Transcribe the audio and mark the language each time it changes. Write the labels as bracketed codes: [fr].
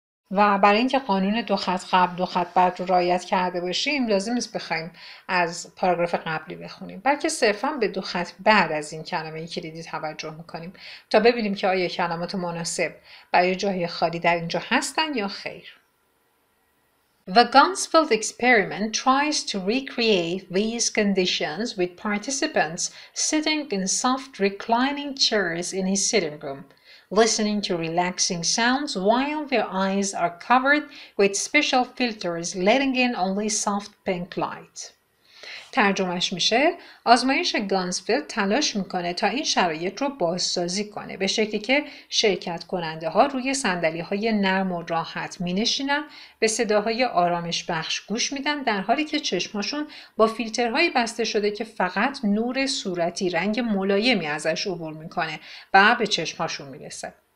[fa] و برای اینکه قانون دو خط قبل دو خط بعد رو رعایت کرده باشیم لازم نیست بخوایم از پاراگراف قبلی بخونیم، بلکه صرفا به دو خط بعد از این کلمه کلیدی توجه میکنیم تا ببینیم که آیا کلمات مناسب برای جای خالی در اینجا هستن یا خیر. [en] The Gansfeld experiment tries to recreate these conditions with participants sitting in soft reclining chairs in his sitting room, listening to relaxing sounds while their eyes are covered with special filters letting in only soft pink light. [fa] ترجمهش میشه آزمایش گانسفیلد تلاش میکنه تا این شرایط رو بازسازی کنه به شکلی که شرکت کننده ها روی صندلی های نرم و راحت مینشینن، به صداهای آرامش بخش گوش میدن در حالی که چشمشون با فیلترهایی بسته شده که فقط نور صورتی رنگ ملایمی ازش عبور میکنه و به چشمشون میرسه.